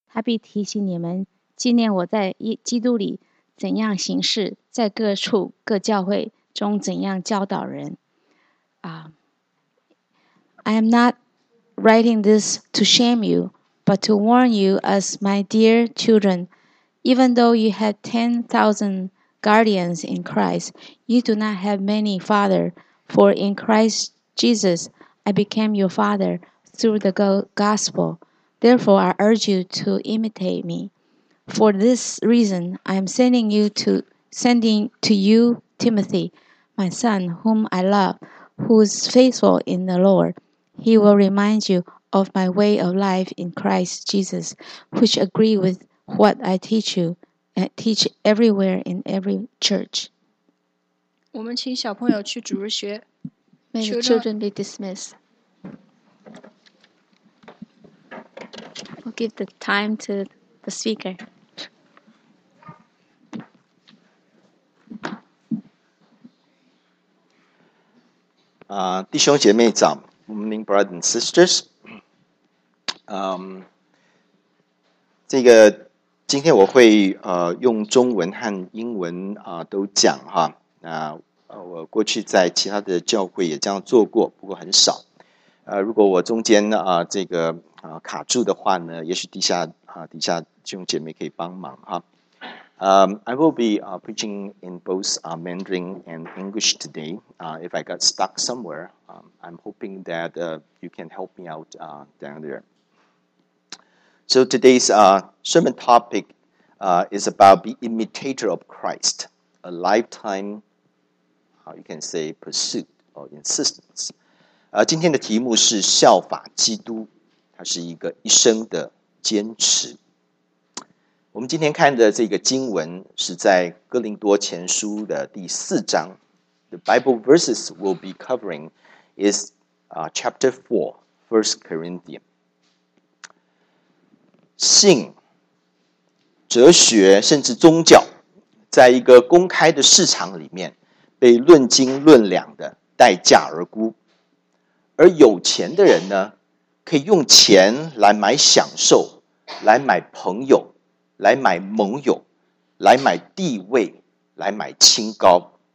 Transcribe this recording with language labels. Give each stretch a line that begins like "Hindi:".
Chinese: 他必提醒你们纪念我在基督里怎样行事，在各处各教会中怎样教导人。
English: I am not writing this to shame you, but to warn you as my dear children. Even though you had 10,000 guardians in Christ, you do not have many fathers. For in Christ Jesus, I became your father through the gospel. Therefore, I urge you to imitate me. For this reason, I am sending to you Timothy, my son, whom I love, who is faithful in the Lord. He will remind you of my way of life in Christ Jesus, which agree with what I teach you and teach everywhere in every church.
Chinese: 我们请小朋友去主日学。
English: May the children be dismissed. We'll give the time to the speaker.
Chinese: 弟兄姐妹早，我们
English: brothers and sisters，
Chinese: 这个今天我会用中文和英文都讲哈。那我过去在其他的教会也这样做过，不过很少。如果我中间卡住的话呢，也许底下弟兄姐妹可以帮忙哈。
English: I will be preaching in both Mandarin and English today. If I got stuck somewhere, I'm hoping that you can help me out down there. So today's sermon topic is about the imitator of Christ, a lifetime, you can say, pursuit or insistence.
Chinese: 今天的题目是效法基督，它是一个一生的坚持。我们今天看的这个经文是在哥林多前书的第四章。
English: The Bible verses we'll be covering is chapter 4, 1 Corinthians.
Chinese: 性、哲学甚至宗教，在一个公开的市场里面被论斤论两的待价而沽，而有钱的人呢，可以用钱来买享受，来买朋友，来买盟友，来买地位，来买清高。